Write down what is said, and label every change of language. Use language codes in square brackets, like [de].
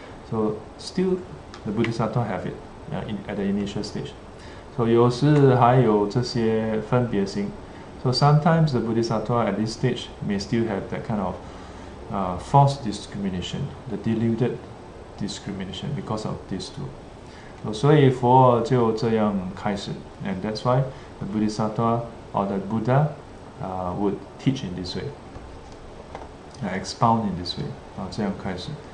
[en] So still the Bodhisattva have it at the initial stage. [zh] So 有时还有这些分别心. [en] So sometimes the Bodhisattva at this stage may still have that kind of false discrimination, the deluded discrimination because of these two. So [zh] 所以佛就这样开始, [en] and that's why the Bodhisattva or the Buddha would teach in this way, expound in this way, [zh] 这样开始.